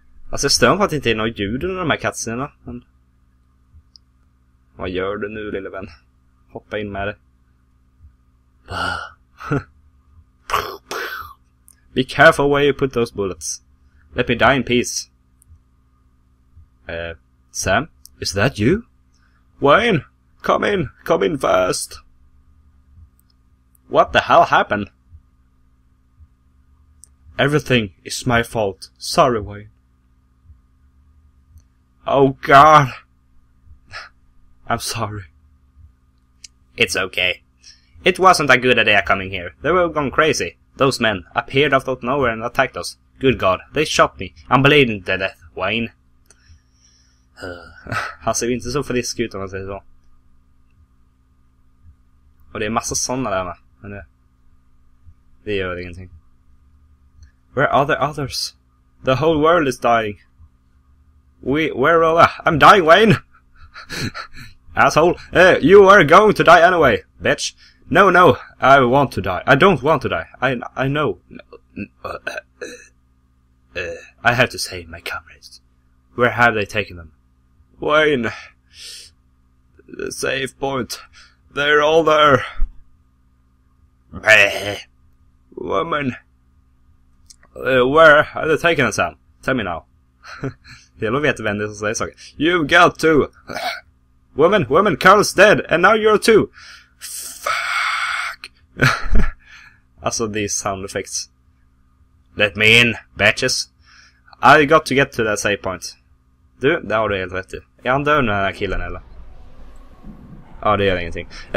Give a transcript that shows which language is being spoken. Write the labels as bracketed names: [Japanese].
[Swedish] Alltså jag stör på att det inte är något ljud under de här katserna, men... Vad gör du nu, lille vän? Hoppa in med det. Va? [English] Be careful where you put those bullets. Let me die in peace. Sam? Is that you? Wayne! Come in! Come in first! What the hell happened? Everything is my fault. Sorry, Wayne. Oh, God! I'm sorry. It's okay. It wasn't a good idea coming here. They were going crazy. Those men appeared out of nowhere and attacked us. Good God, they shot me. I'm bleeding to death, Wayne. [Swedish] Han ser inte så frisk ut om man säger så. Och det är massa sådana där, men det gör ingenting. [English] Where are the others? The whole world is dying. Where are they? I'm dying, Wayne! Asshole! You are going to die anyway, bitch! No, I want to die. I don't want to die. I know. I have to save my comrades. Where have they taken them? Wayne. The safe point. They're all there. Woman. Where are they taking them, Sam? Tell me now. [Swedish] Det gäller att veta vem det är som säger saker. [English] You've got to. Woman, Carl's dead. And now you're too. [Swedish] Alltså, [English] these sound effects. Let me in, bitches. I got to get to that save point. [Swedish] Du, där har du helt rätt. Är han död nu, den här killen, eller? Ja, det gör ingenting.